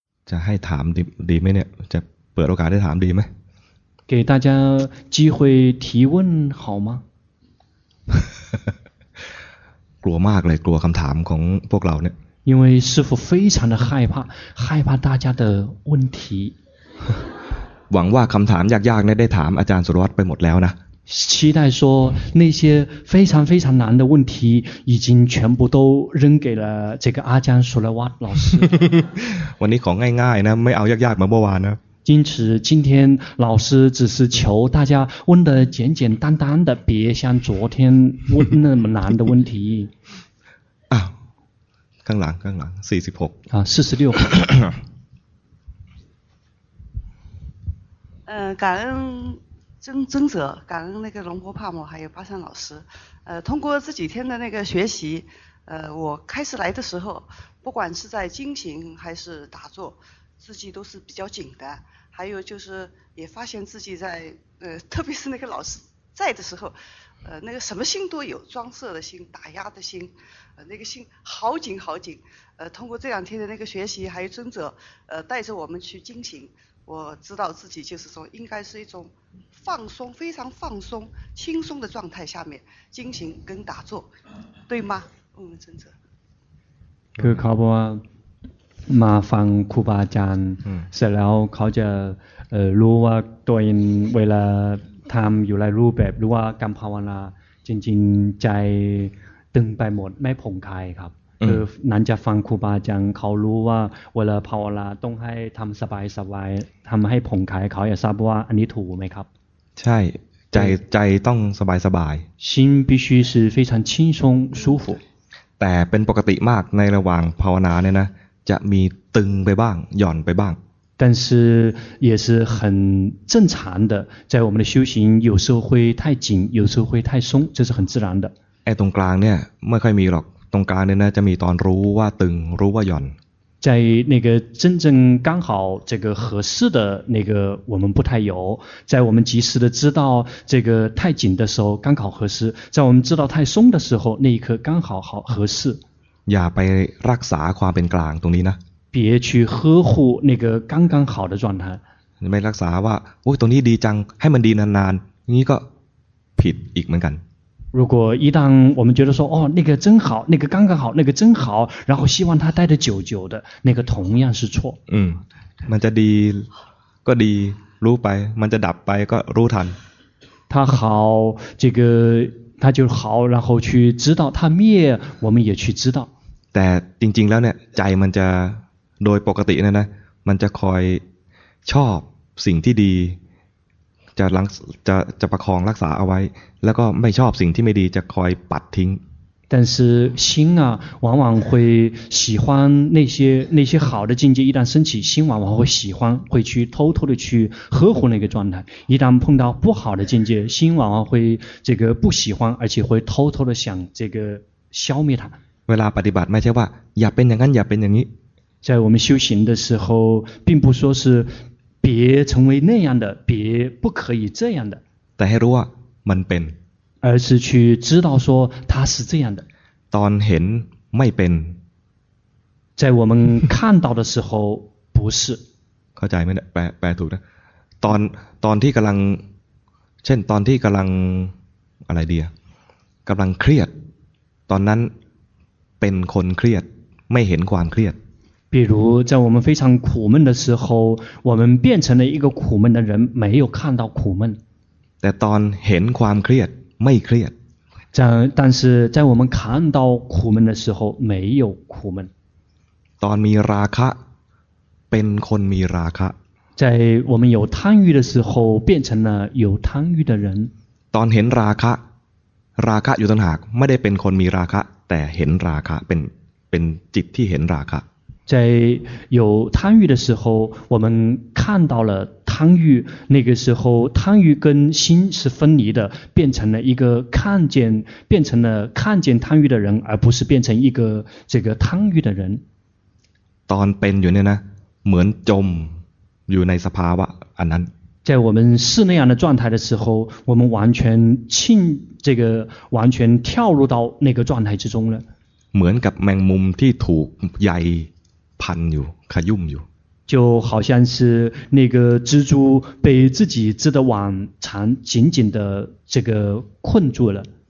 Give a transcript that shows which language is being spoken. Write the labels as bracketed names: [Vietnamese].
[Thai] จะให้ถามดีไหมเนี่ยจะเปิดโอกาสให้ถามดีไหม [Chinese] 给大家机会提问好吗 [Thai] กลัวมากเลยกลัวคำถามของพวกเราเนี่ย [Chinese] 因为师父非常的害怕害怕大家的问题 [Thai] หวังว่าคำถามยากๆเนี่ยได้ถามอาจารย์สุรวัตรไปหมดแล้วนะ [Chinese] 期待说那些非常非常难的问题已经全部都扔给了这个阿江苏勒瓦老师 [Thai] วันนี้ของง่ายๆนะไม่เอายากๆมาเมื่อวานนะ [Chinese] 因此今天老师只是求大家问的简简单单的别像昨天问那么难的问题 [Thai] 啊ข้างหลัง46 [Chinese] 啊46 感恩尊者感恩那个龙波帕姆还有巴山老师通过这几天的那个学习我开始来的时候不管是在精行还是打坐自己都是比较紧的还有就是也发现自己在特别是那个老师在的时候那个什么心都有装色的心打压的心那个心好紧好紧通过这两天的那个学习还有尊者带着我们去精行我知道自己就是说应该是一种放松非常放松轻松的状态下面精行跟打坐对吗嗯真的 [Thai] คือเขาบอกว่ามาฟังครูบาอาจารย์เสร็จแล้วเขาจะรู้ว่าตัวเองเวลาทำอยู่ในรูปแบบหรือว่ากรรมภาวนาจริงๆใจตึงไปหมดไม่ผ่องคลายครับคือนั้นจะฟังครูบาอาจารย์เขารู้ว่าเวลาภาวนาต้องให้ทำสบายๆทำให้ผ่องคลายเขาจะทราบว่าอันนี้ถูกไหมครับ ใช่ใจต้องสบายสบาย [Chinese] 心必须是非常轻松舒服 [Thai] แต่เป็นปกติมากในระหว่างภาวนาเนี่ยนะจะมีตึงไปบ้างหย่อนไปบ้าง [Chinese] 但是也是很正常的在我们的修行有时候会太紧有时候会太松这是很自然的 [Thai] ไอ้ตรงกลางเนี่ยไม่ค่อยมีหรอกตรงกลางเนี่ยนะจะมีตอนรู้ว่าตึงรู้ว่าหย่อน [Chinese] 在那个真正刚好这个合适的那个我们不太有在我们及时的知道这个太紧的时候刚好合适在我们知道太松的时候那一刻刚好好合适 [Thai] อย่าไปรักษาความเป็นกลางตรงนี้นะ [Chinese] 别去呵护那个刚刚好的状态 [Thai] ไม่รักษาว่าโอ้ยตรงนี้ดีจังให้มันดีนานๆ นี้ก็ผิดอีกเหมือนกัน [Chinese] 如果一旦我们觉得说哦那个真好那个刚刚好那个真好然后希望他待得久久的那个同样是错 [Thai] มันจะดีก็ดีรู้ไปมันจะดับไปก็รู้ทัน [Chinese] 他好这个他就好然后去知道他灭我们也去知道 [Thai] แต่จริงๆแล้วเนี่ยใจมันจะโดยปกตินะมันจะคอยชอบสิ่งที่ดีจะประคองรักษาเอาไว้แล้วก็ไม่ชอบสิ่งที่ไม่ดีจะคอยปัดทิ้ง [Chinese] 但是心啊往往会喜欢那些好的境界一旦升起心往往会喜欢会去偷偷的去呵护那个状态一旦碰到不好的境界心往往会这个不喜欢而且会偷偷的想这个消灭它 [Thai] เวลาปฏิบัติไม่ใช่ว่าอย่าเป็นอย่างนั้นอย่าเป็นอย่างนี้ [Chinese] 在我们修行的时候并不说是别成为那样的别不可以这样的 [Thai] แต่ให้รู้ว่ามันเป็น [Chinese] 而是去知道说它是这样的 [Thai] ตอนเห็นไม่เป็น [Chinese] 在我们看到的时候不是 [Thai] เข้าใจไหมแปลถูกนะตอนที่กำลังเช่นตอนที่กำลังอะไรดีอะกำลังเครียดตอนนั้นเป็นคนเครียดไม่เห็นความเครียด [Chinese] 比如在我们非常苦闷的时候我们变成了一个苦闷的人没有看到苦闷 [Thai] แต่ตอนเห็นความเครียดไม่เครียด [Chinese] 但是在我们看到苦闷的时候没有苦闷 [Thai] ตอนมีราคะเป็นคนมีราคะ [Chinese] 在我们有贪欲的时候变成了有贪欲的人 [Thai] ตอนเห็นราคะราคะอยู่ต่างหากไม่ได้เป็นคนมีราคะแต่เห็นราคะเป็นจิตที่เห็นราคะ [Chinese] 在有贪欲的时候我们看到了贪欲那个时候贪欲跟心是分离的变成了看见贪欲的人而不是变成一个这个贪欲的人 [Thai] ตอนเป็นอยู่เนี่ยนะเหมือนจมอยู่ในสภาวะอันนั้น [Chinese] 在我们是那样的状态的时候我们完全浸这个完全跳入到那个状态之中了 [Thai] เหมือนกับแมงมุมที่ถูกใหญ่พันอยู่ขยุ่มอยู่ [Chinese] 就好像是那个蜘蛛被自己织的网缠紧紧的这个困住了。